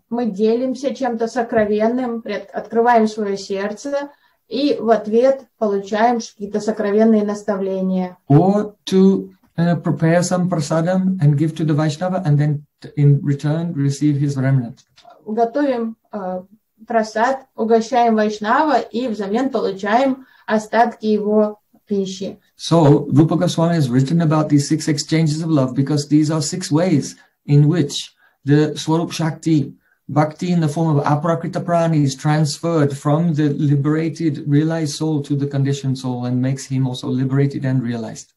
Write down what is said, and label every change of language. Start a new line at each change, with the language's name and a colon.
Russian: Мы делимся чем-то сокровенным, открываем свое сердце и в ответ получаем какие-то сокровенные наставления.
English: Or to prepare some prasadam and give to the Vaishnava and then in return receive his remnant.
Russian: Готовим прасад, угощаем вайшнава и взамен получаем остатки его.
English: So, Rupa Goswami has written about these six exchanges of love because these are six ways in which the Swarup Shakti, Bhakti in the form of Aprakrita Prani is transferred from the liberated, realized soul to the conditioned soul and makes him also liberated and realized.